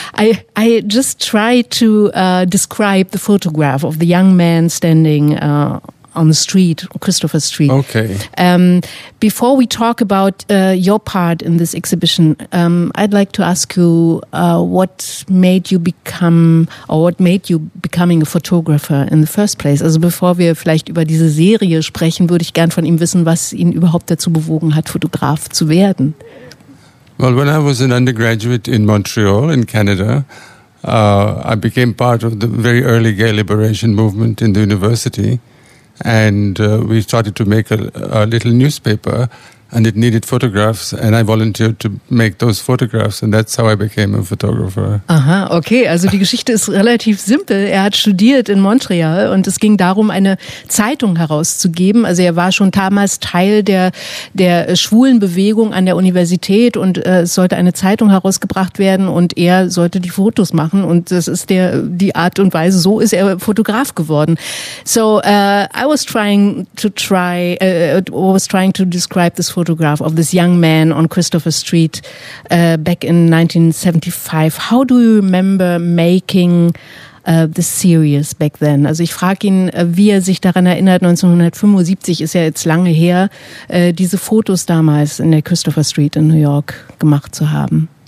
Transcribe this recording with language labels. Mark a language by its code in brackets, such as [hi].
[en] I just try to describe the photograph of the young man standing on the street, Christopher Street. Okay. Before we talk about your part in this exhibition, I'd like to ask you what made you becoming a photographer in the first place? [de] Also bevor wir vielleicht über diese Serie sprechen, würde ich gern von ihm wissen, was ihn überhaupt dazu bewogen hat, Fotograf zu werden. [en] Well, when I was an undergraduate in Montreal in Canada, I became part of the very early gay liberation movement in the university. And we started to make a little newspaper, and it needed photographs, and I volunteered to make those photographs, and that's how I became a photographer. [de] Aha, okay, also die Geschichte ist relativ simpel. Er hat studiert in Montreal und es ging darum, eine Zeitung herauszugeben. Also er war schon damals Teil der schwulen Bewegung an der Universität und es sollte eine Zeitung herausgebracht werden und er sollte die Fotos machen und das ist die Art und Weise, so ist er Fotograf geworden. [en] So I was trying to describe this photograph of this young man on Christopher Street back in 1975. How do you remember making this series back then? [de] Also ich frage ihn, wie er sich daran erinnert, 1975 ist ja jetzt lange her, diese Fotos damals in der Christopher Street in New York gemacht zu haben.